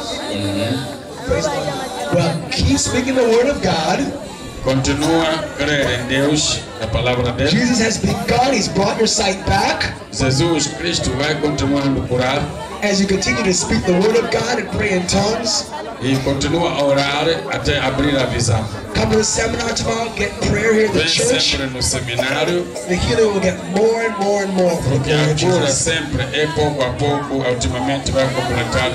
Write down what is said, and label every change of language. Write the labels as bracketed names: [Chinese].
[English] Mm-hmm. Praise God. Well, keep speaking the word of God. [Portuguese] Continua crer em Deus, a palavra dele. [English] Jesus has begun. He's brought your sight back. [Portuguese] Jesus Cristo vai continuando a curar. [English] As you continue to speak the word of God and pray in tongues. [Portuguese] E continua a orar até abrir a visão. [English] Come to the seminar tomorrow, get prayer here at the church. [Portuguese] Vem sempre no seminário. [English] The healing will get more and more and more. [Portuguese] Porque a cura sempre é pouco a pouco, ultimamente vai completar.